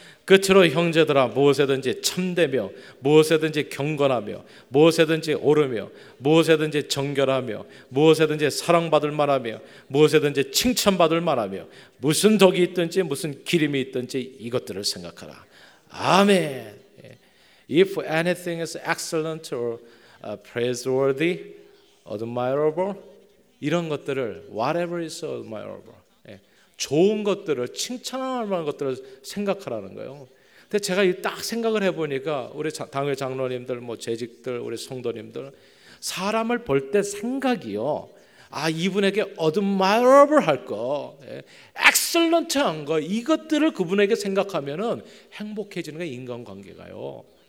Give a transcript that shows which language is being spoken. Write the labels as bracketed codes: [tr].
[ko] 끝으로 형제들아 무엇에든지 참되며 무엇에든지 경건하며 무엇에든지 오르며 무엇에든지 정결하며 무엇에든지 사랑받을 만하며 무엇에든지 칭찬받을 만하며 무슨 독이 있든지 무슨 기름이 있든지 이것들을 생각하라. 아멘. [en] If anything is excellent or praiseworthy, admirable, [ko] 이런 것들을 [en] whatever is admirable. [ko] 좋은 것들을 칭찬할 만한 것들을 생각하라는 거예요. 근데 제가 딱 생각을 해보니까 우리 당회 장로님들, 뭐 재직들, 우리 성도님들 사람을 볼 때 생각이요. 아 이분에게 admirable 할 거, excellent 한 거 이것들을 그분에게 생각하면은 행복해지는 게 인간관계가요.